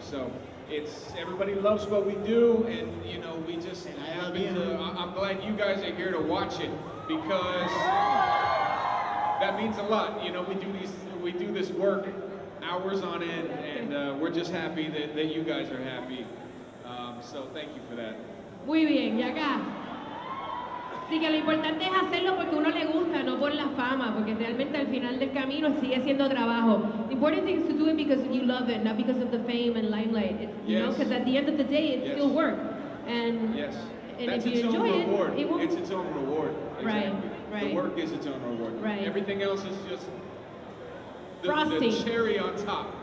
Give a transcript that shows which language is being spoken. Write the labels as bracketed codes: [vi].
[en] So it's everybody loves what we do, and you know, we just I'm glad you guys are here to watch it, because that means a lot. You know, we do this work hours on end, and we're just happy that you guys are happy. So thank you for that. [es] Muy bien, y acá. Así que lo importante es hacerlo porque uno le gusta, no por la fama, porque realmente al final del camino sigue siendo trabajo. [en] The important thing is to do it because you love it, not because of the fame and limelight. It's, you know, because at the end of the day, it still work. And, that's if you enjoy it, reward. It won't. It's its own reward. Exactly. Right. The work is its own reward. Right. Everything else is just frosting. The cherry on top.